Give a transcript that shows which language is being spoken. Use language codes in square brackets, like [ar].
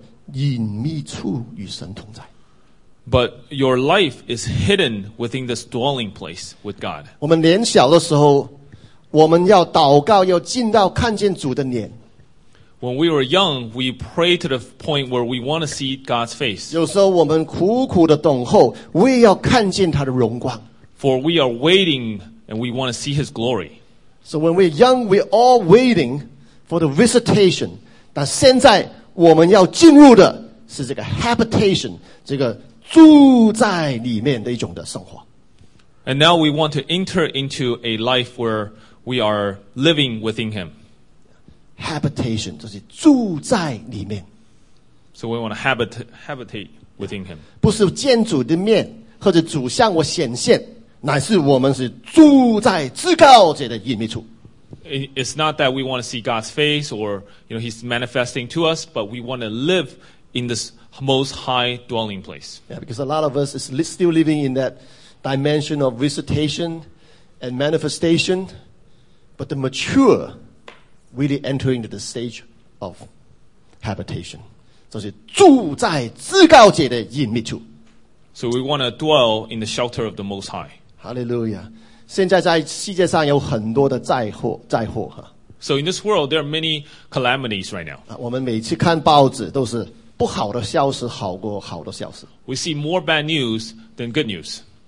[zh] 但是你的灵，你的生命是藏在这个隐秘处与神同在。 [en] But your life is hidden within this dwelling place with God. [zh] 我们年小的时候。我们要祷告，要进到看见主的脸。 [en] When we were young, we prayed to the point where we want to see God's face. [zh] 有时候我们苦苦的等候，为要看见他的荣光。 [en] For we are waiting and we want to see His glory. So when we're young, we're all waiting for the visitation. [zh] 但现在我们要进入的是这个 habitation, 这个住在里面的一种的生活。 [en] And now we want to enter into a life where we are living within Him. [zh] Habitation, 就是住在里面。 [en] So we want to habitate within Him. [zh] 不是见主的面，或者主向我显现， 乃是我们是住在至高者的隐秘处。 [en] It's not that we want to see God's face or, He's manifesting to us, but we want to live in this most high dwelling place. Yeah, because a lot of us is still living in that dimension of visitation and manifestation. But the mature really enter into the stage of habitation. So we want to dwell in the shelter of the Most High. Hallelujah. [zh] 现在在世界上有很多的灾祸。 [en] So in this world, there are many calamities right now. [zh] 我们每次看报纸都是不好的消息好过好的消息。 [en] We see more bad news than good news.